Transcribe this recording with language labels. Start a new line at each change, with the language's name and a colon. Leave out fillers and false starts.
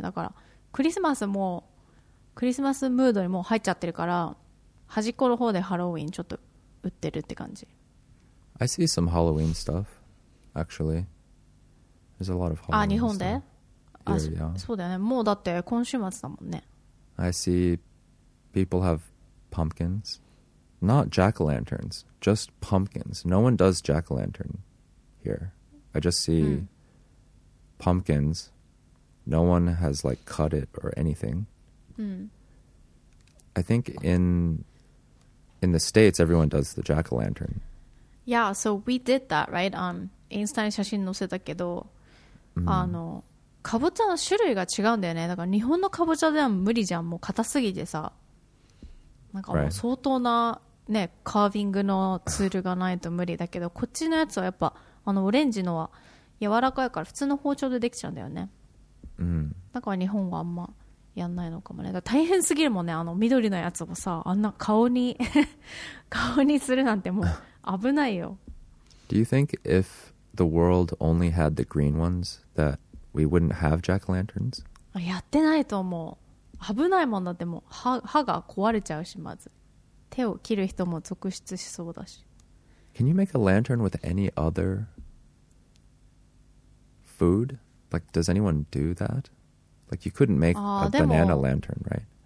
Japanese: だからクリスマスもクリスマスムードにもう入っちゃってるから端っこの方でハロウィンちょっと売ってるって感じ。
English: I see some Halloween stuff, actually. There's a lot of Halloween.
Japanese: あ、日本で？
English: Here, あ、 yeah.
Japanese: そうだよね。もうだって今週末だもんね。
English: I see people have pumpkins, not jack-o'-lanterns, just pumpkins. No one does jack-o'-lantern here. I just see pumpkins. No one has like cut it or anything. I think in the States, everyone does the jack-o'-lantern. Yeah, so we did that, right?
Japanese: インスタに写真載せたけど、あの、かぼちゃの種類が違うんだよね。だから日本のかぼちゃでは無理じゃん。もう硬すぎてさ。なんかもう相当な、ね、カービングのツールがないと無理だけど、こっちのやつはやっぱ、あのオレンジのは柔らかいから普通の包丁でできちゃうんだよね。うん。だから日本はあんまやんないのかもね。だから大変すぎるもんね。あの緑のやつもさ、あんな顔に顔にするなんてもう危ないよ。
English: Do you think if the world only had the green ones that we wouldn't have jack-o'-lanterns?
Japanese: やってないと思う。危ないもんだってもう 歯が壊れちゃうし、まず手を切る人も続出しそうだし。
English: Can you make a lantern with any other food? Like, does anyone do that? Like, you couldn't make a banana lantern, right?